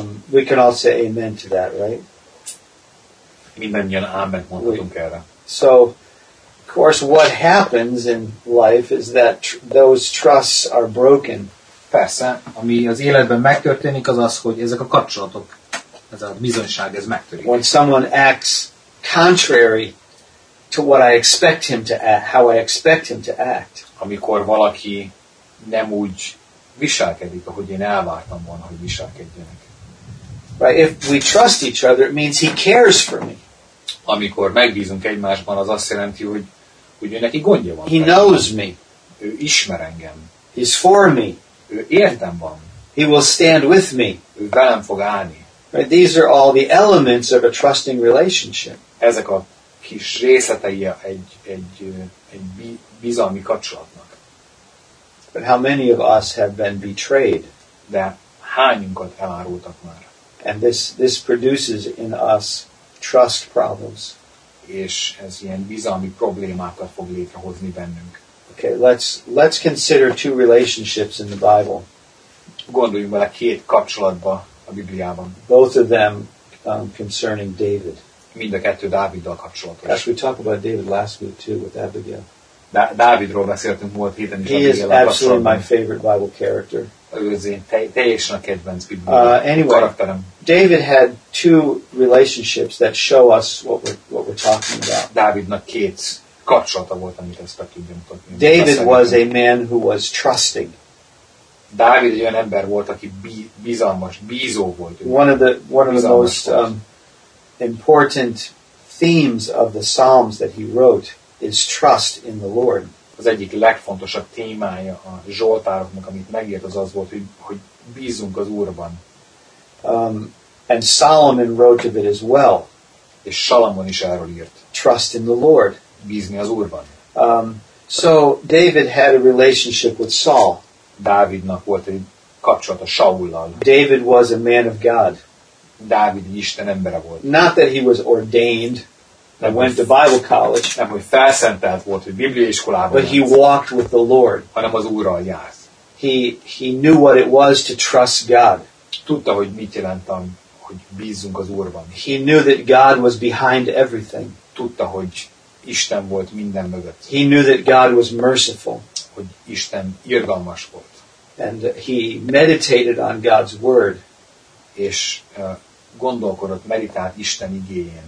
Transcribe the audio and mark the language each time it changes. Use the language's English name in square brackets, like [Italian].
[English] We can all say amen to that, right? [Hungarian] Mindannyian ámen mondhatunk erre. [English] So, of course, what happens in life is that those trusts are broken. [Hungarian] Persze, ami az életben megtörténik, az, hogy ezek a kapcsolatok, ez a bizonyság, ez megtörik. [English] When someone acts contrary to what I expect him to act, how I expect him to act. [Hungarian] Amikor valaki nem úgy viselkedik, ahogy én elvártam volna, hogy viselkedjenek. [English] Right, if we trust each other, it means he cares for me. [Hungarian] Amikor megbízunk egymásban, az azt jelenti, hogy ő neki gondja van. [English] He knows me. [Hungarian] Ő ismer engem. [English] He's for me. [Hungarian] Ő értem van. [English] He will stand with me. [Hungarian] Ő velem fog állni. [English] Right, these are all the elements of a trusting relationship. [Hungarian] Ezek a kis részletei egy bizalmi kapcsolatnak. [English] But how many of us have been betrayed? [Hungarian] De hányunkat elárultak már? [English] And this produces in us trust problems. [Hungarian] És ez ilyen bizalmi problémákat fog létrehozni bennünk. [English] Okay, let's consider two relationships in the Bible. [Hungarian] Gondoljunk bele két kapcsolatba a Bibliában. [English] Both of them concerning David. [Hungarian] Mind a kettő Dáviddal kapcsolatos. [English] As we talked about David last week too with Abigail. [Hungarian] Dávidról beszéltünk múlt héten is. [English] He is absolutely my favorite Bible character. Anyway, [Hungarian] karakterem. [English] David had two relationships that show us what we're talking about. [Hungarian] Dávidnak két kapcsolata volt, amit ezt meg tudjuk mutatni. [English] David was a man who was trusting. [Hungarian] Dávid egy olyan ember volt, aki bizalmas, bízó volt. [English] One of the most important themes of the Psalms that he wrote is trust in the Lord. [Hungarian] Az egyik legfontosabb témája a Zsoltároknak, amit megírt, az volt, hogy bízunk az Úrban. [English] And Solomon wrote of it as well. [Hungarian] És Salamon is erről írt. [English] Trust in the Lord. [Hungarian] Bízni az Úrban. [English] So David had a relationship with Saul. [Hungarian] Dávidnak volt egy kapcsolata Saullal. [English] David was a man of God. [Hungarian] Dávid Isten embere volt. [English] Not that he was ordained. [Hungarian] Nem, [English] went to Bible college. [Hungarian] Nem, hogy felszentelt volt, hogy Biblia iskolában járt. [English] But he walked with the Lord. [Hungarian] Hanem az Úrral járt. [English] He knew what it was to trust God. [Hungarian] Tudta, hogy mit jelent, hogy bízzunk az Úrban. [English] He knew that God was behind everything. [Hungarian] Tudta, hogy Isten volt minden mögött. [English] He knew that God was merciful. [Hungarian] Hogy Isten irgalmas volt. [English] And he meditated on God's word. [Hungarian] És gondolkodott, meditált Isten igéjén.